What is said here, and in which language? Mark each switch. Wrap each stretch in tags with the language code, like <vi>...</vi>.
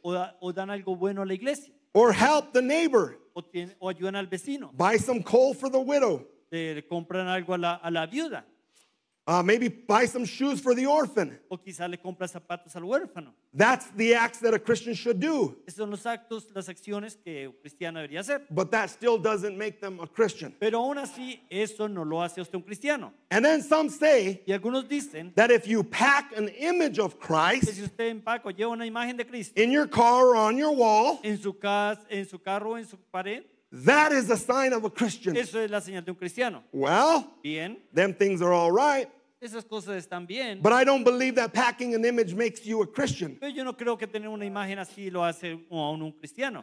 <es>o dan algo bueno a la iglesia,</es> <en>or help the neighbor,</en> <es>o ayudan al vecino,</es> <en>buy some coal for the widow,</en> <es>le compran algo a la viuda.</es> <en>Maybe buy some shoes for the orphan.</en> <es>O quizá le compra zapatos al huérfano.</es> <en>That's the acts that a Christian should do.</en> <es>Esos son los actos, las acciones que un cristiano debería hacer.</es> <en>But that still doesn't make them a Christian.</en> <es>Pero aún así, eso no lo hace usted un cristiano.</es> <en>And then some say,</en> <es>y algunos dicen,</es> <en>that if you pack an image of Christ,</en> <es>que si usted empaca o lleva una imagen de Cristo,</es> <en>in your car or on your wall,</en> <es>en su carro o en su pared,</es> <en>that is a sign of a Christian.</en> <es>Eso es la señal de un cristiano.</es> <en>Well,</en> <es>bien,</es> <en>them things are all right.</en> <es>Esas cosas están bien.</es> <en>But I don't believe that packing an image makes you a Christian.</en> <es>Pero yo no creo que tener una imagen así lo hace un cristiano.</es>